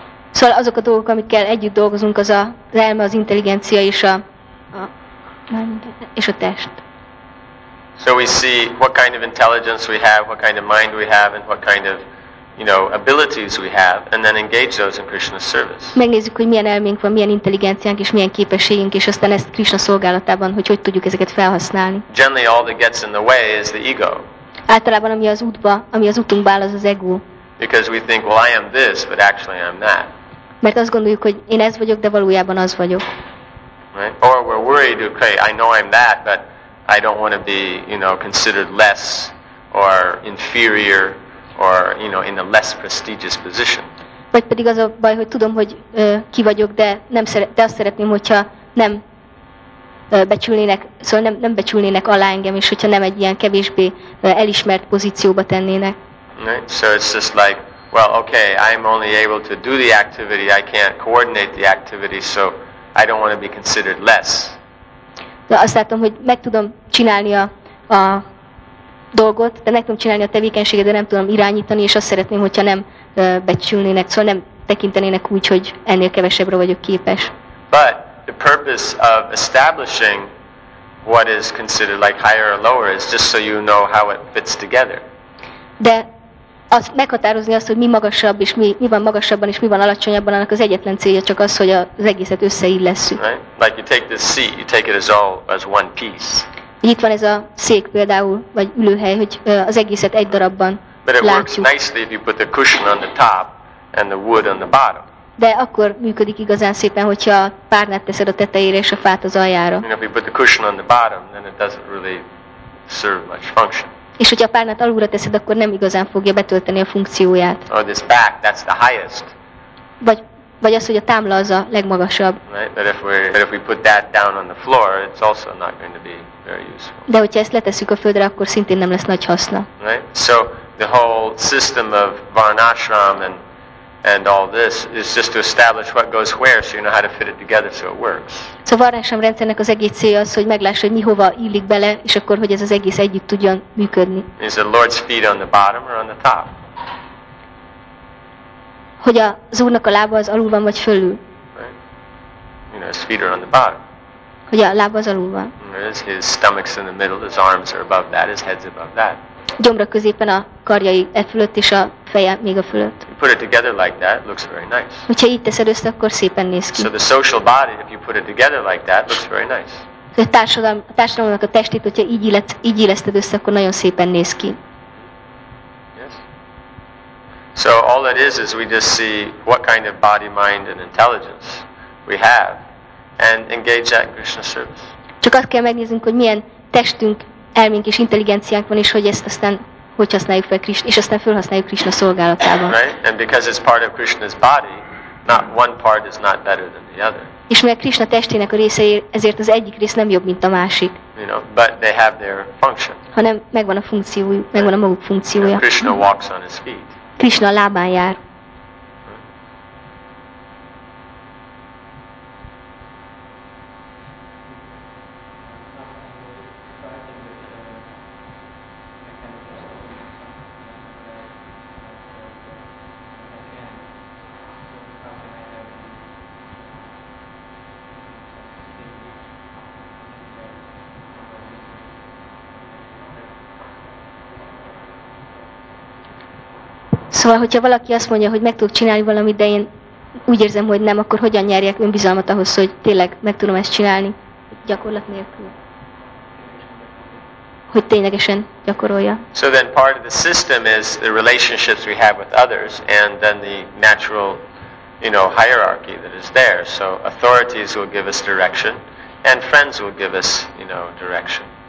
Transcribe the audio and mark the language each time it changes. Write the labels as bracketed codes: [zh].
[hu] Szóval azok a dolgok, amikkel együtt dolgozunk, az az elme, az intelligencia és a test. [en] So we see what kind of intelligence we have, what kind of mind we have, and what kind of, you know, abilities we have, and then engage those in Krishna's service. [hu] Megnézzük, hogy milyen elménk van, milyen intelligenciánk és milyen képességünk, és aztán ezt Krishna szolgálatában, hogy tudjuk ezeket felhasználni. [en] Generally, all that gets in the way is the ego. [hu] Általában ami az útba, ami az utunkba áll, az az ego. [en] Because we think, well, I am this, but actually I'm that. [hu] Mert azt gondoljuk, hogy én ez vagyok, de valójában az vagyok. [en] Right? Or we're worried, okay, I know I'm that, but I don't want to be, you know, considered less or inferior or, you know, in a less prestigious position. [hu] Vagy pedig az a baj, hogy tudom, hogy ki vagyok, de nem de azt szeretném, hogyha nem becsülnének, szóval nem becsülnének alá engem, és hogyha nem egy ilyen kevésbé elismert pozícióba tennének. [en] Right? So it's just like, well, okay, I'm only able to do the activity, I can't coordinate the activity, so I don't want to be considered less. [hu] De azt látom, hogy meg tudom csinálni a dolgot, de meg tudom csinálni a tevékenységet, de nem tudom irányítani, és azt szeretném, hogyha nem becsülnének, szóval nem tekintenének úgy, hogy ennél kevesebbre vagyok képes. [en] But the purpose of establishing what is considered like higher or lower is just so you know how it fits together. [hu] De az meghatározni azt, hogy mi magasabb és mi van magasabban és mi van alacsonyabban, annak az egyetlen célja csak az, hogy az egészet összeillesszük. [en] Right? Like you take this seat, you take it as all as one piece. [hu] Itt van ez a szék például, vagy ülőhely, hogy az egészet egy darabban [en] But it [hu] látjuk. [en] Works nicely if you put the cushion on the top and the wood on the bottom. [hu] De akkor működik igazán szépen, hogyha a párnát teszed a tetejére és a fát az aljára. [en] You know, if you put the cushion on the bottom, then it doesn't really serve much function. [hu] És hogyha a párnát alulra teszed, akkor nem igazán fogja betölteni a funkcióját. [en] Or this back, that's the highest. [hu] Vagy az, hogy a támla az a legmagasabb. [en] Right? But if we put that down on the floor, it's also not going to be very useful. [hu] De hogyha ezt letesszük a földre, akkor szintén nem lesz nagy haszna. [en] Right? So the whole system of Varnashram and all this is just to establish what goes where, so you know how to fit it together, so it works. [hu] So Varnashram rendszernek az egész célja az, hogy meglássa, hogy mi hova illik bele, és akkor hogy ez az egész együtt tudjon működni. [en] Is the Lord's feet on the bottom or on the top? [hu] Hogy az Úrnak a lába az alul van vagy fölül? [en] Right. You know, his feet are on the bottom. [hu] Hogy a lába az alul van? [en] His stomach's in the middle, his arms are above that, his head's above that. [hu] Gyomra középen, a karjai e fölött és a feje még a fölött. [en] You put it together like that, looks very nice. [hu] Hogyha így teszed össze, akkor szépen néz ki. [en] So the social body, if you put it together like that, looks very nice. [hu] A társadalomnak a testét, hogyha így illeszted össze, akkor nagyon szépen néz ki. [en] Yes. So all that is we just see what kind of body, mind and intelligence we have and engage that in Krishna service. [hu] Csak azt kell megnéznünk, hogy milyen testünk, elménk és intelligenciánk van, és hogy ezt aztán hogy használjuk fel Krishna, és aztán felhasználjuk Krishna szolgálatában. [en] Right? And because it's part of Krishna's body, not one part is not better than the other. [hu] És mert Krishna testének a része, ezért az egyik rész nem jobb, mint a másik. [en] You know, but they have their function. [hu] Hanem megvan a funkciójuk, megvan a maguk funkciója. [en] And Krishna walks on his feet. Krishna a lábán jár. [hu] Szóval, hogyha valaki azt mondja, hogy meg tudok csinálni valamit, de én úgy érzem, hogy nem, akkor hogyan nyerjek önbizalmat ahhoz, hogy tényleg meg tudom ezt csinálni gyakorlat nélkül? Hogy ténylegesen gyakorolja. [en] So then part of the system is the relationships we have with others, and then the natural, you know, hierarchy that is there. So authorities will give us direction, and friends will give us, you know, direction.